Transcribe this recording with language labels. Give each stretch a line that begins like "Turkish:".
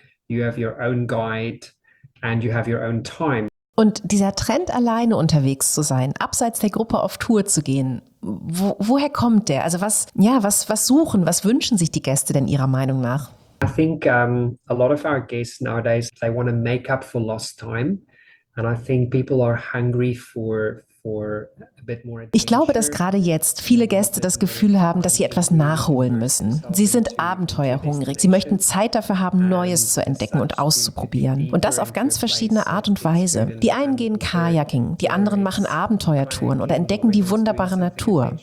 English: You have your own guide and you have your own time.
German: Und dieser Trend, alleine unterwegs zu sein, abseits der Gruppe auf Tour zu gehen, woher kommt der? Also was wünschen sich die Gäste denn Ihrer Meinung nach?
English: I think a lot of our guests nowadays, they want to make up for lost time. And I think people are hungry for a bit more adventure.
German: Ich glaube, dass gerade jetzt viele Gäste das Gefühl haben, dass sie etwas nachholen müssen. Sie sind abenteuerhungrig. Sie möchten Zeit dafür haben, Neues zu entdecken und auszuprobieren. Und das auf ganz verschiedene Art und Weise. Die einen gehen Kajaking, die anderen machen Abenteuertouren oder entdecken die wunderbare Natur.